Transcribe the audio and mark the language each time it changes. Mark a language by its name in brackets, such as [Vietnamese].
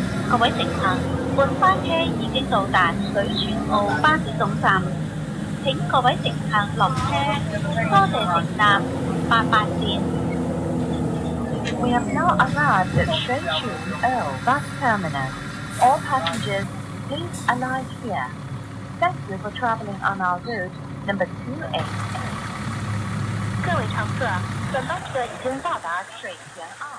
[Cantonese] 各位乘客，本班车已经到达水泉澳巴士总站，请各位乘客落车，多谢乘搭88线。 [English] We have now arrived at 水泉澳 bus terminus. All passengers, please alight here. Thank you for traveling on our route number 28. [Cantonese] 各位乘客，本班车已经到达水泉澳